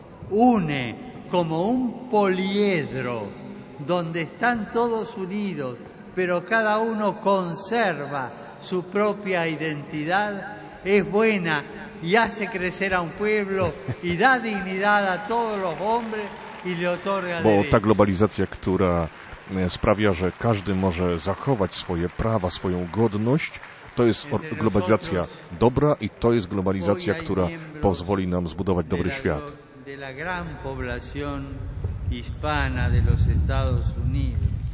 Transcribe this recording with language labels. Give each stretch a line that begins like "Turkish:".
Spanish: Une como un poliedro donde están todos unidos, pero cada uno conserva su propia identidad, es buena y hace crecer a un pueblo y da dignidad a todos los hombres y le otorga derechos.
Polish: Bo ta globalizacja, która sprawia, że każdy może zachować swoje prawa, swoją godność, to jest globalizacja dobra i to jest globalizacja, która pozwoli nam zbudować dobry świat.
Spanish: De la gran población hispana de los Estados Unidos.